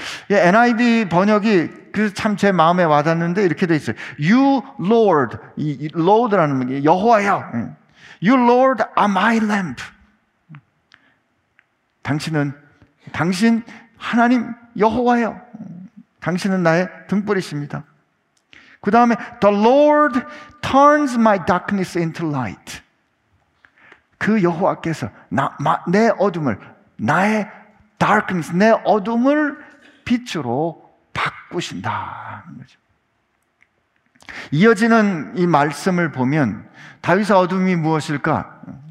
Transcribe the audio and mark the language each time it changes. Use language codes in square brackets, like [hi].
[ko] NIV 번역이 참 제 마음에 와닿는데 이렇게 돼 있어요. [en] You Lord, [ko] Lord라는 게 여호와여. [en] You Lord are my lamp. [ko] 당신 하나님 여호와여. 당신은 나의 등불이십니다. 그 다음에 [en] The Lord turns my darkness into light. [ko] 그 여호와께서 내 어둠을, 나의 darkness, 내 어둠을 빛으로 바꾸신다. 이어지는 이 말씀을 보면 다윗의 어둠이 무엇일까?